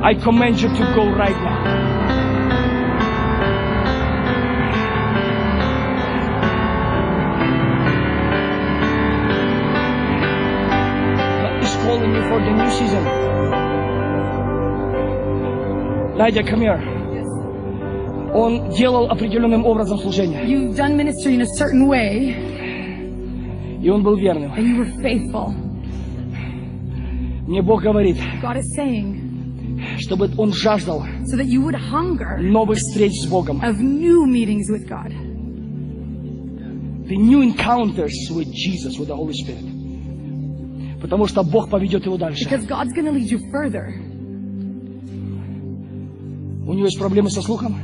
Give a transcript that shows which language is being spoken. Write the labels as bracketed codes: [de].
[en] I command you to go right now. God is calling you for the new season. Надя, come here. [ru] Он делал определенным образом служение. [en] You've done ministry in a certain way. [ru] И он был верным. [en] And you were faithful. [ru] Мне Бог говорит, [en] God is saying, [ru] чтобы он жаждал [en] so that you would hunger [ru] новых встреч с Богом. [en] Of new meetings with God. The new encounters with Jesus, with the Holy Spirit. [ru] Потому что Бог поведет его дальше. [en] Because God's gonna lead you further. [ru] У него есть проблемы со слухом?